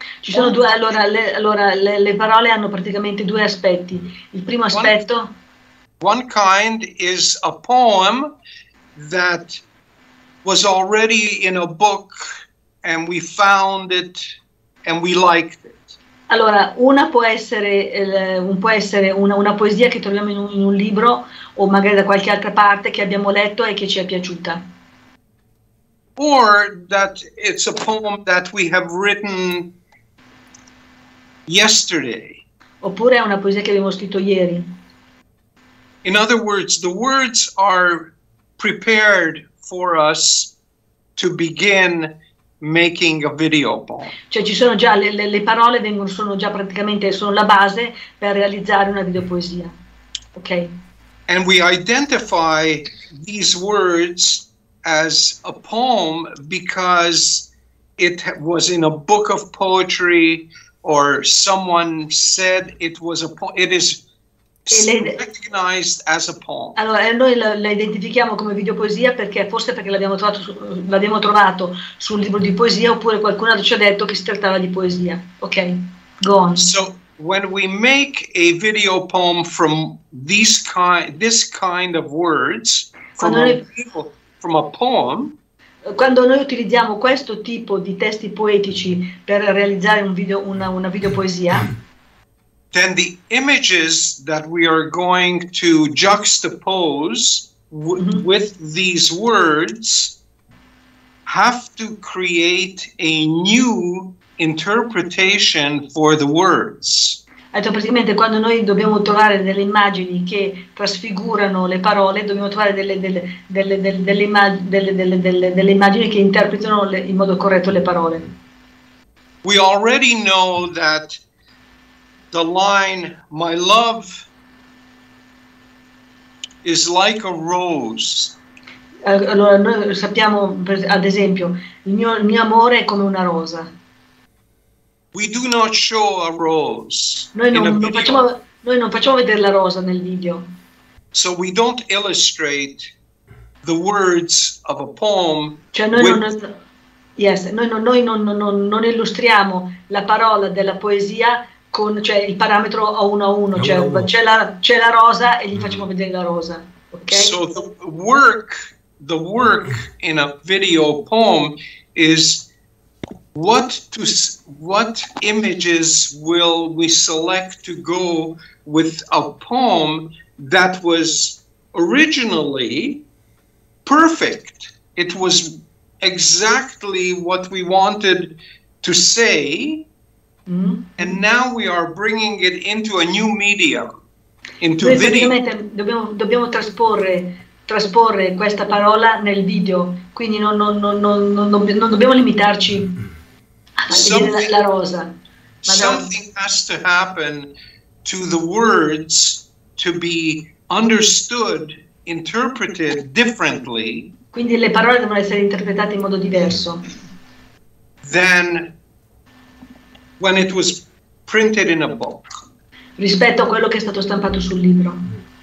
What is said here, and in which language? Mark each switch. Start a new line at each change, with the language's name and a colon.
Italian: Ci sono due, le parole hanno praticamente due aspetti. Il primo aspetto
English: one kind is a poem that was already in a book and we found it and we liked it.
Italian: Allora, una può essere una poesia che troviamo in un libro o magari da qualche altra parte che abbiamo letto e che ci è piaciuta.
English: Or that it's a poem that we have written yesterday.
Italian: Oppure è una poesia che abbiamo scritto ieri.
English: In other words, the words are prepared for us to begin making a video poem.
Italian: Cioè ci sono già le parole vengono sono già praticamente sono la base per realizzare una videopoesia.
English: Ok. And we identify these words as a poem because it was in a book of poetry or someone said it was a poem. It is recognized as a poem.
Italian: Allora, noi la identifichiamo come videopoesia perché forse perché l'abbiamo trovato sul libro di poesia oppure qualcun altro ci ha detto che si trattava di poesia.
English: Ok, go on. So, when we make a video poem from this kind of words, from a poem,
Italian: quando noi utilizziamo questo tipo di testi poetici per realizzare una videopoesia,
English: then the images that we are going to juxtapose with these words have to create a new interpretation for the words.
Italian: Allora, praticamente quando noi dobbiamo trovare delle immagini che trasfigurano le parole, dobbiamo trovare delle immagini che interpretano in modo corretto le parole.
English: We already know that the line, my love is like a rose.
Italian: Allora, noi sappiamo, ad esempio, il mio amore è come una rosa.
English: We do not show a rose.
Italian: Noi non facciamo vedere la rosa nel video.
English: So we don't illustrate the words of a poem.
Italian: Cioè noi non illustriamo la parola della poesia con cioè il parametro a uno a uno, cioè c'è la rosa e gli facciamo vedere la rosa.
English: Ok? So the work in a video poem is what images will we select to go with a poem that was originally perfect? It was exactly what we wanted to say. Mm-hmm. And now we are bringing it into a new medium, into video.
Italian: Dobbiamo trasporre questa parola nel video, quindi non dobbiamo limitarci a vedere la rosa.
English: Something has to happen to the words to be understood, interpreted differently.
Italian: Quindi le parole devono essere interpretate in modo diverso.
English: Then when it was printed in a book.
Italian: Rispetto a quello che è stato stampato sul libro.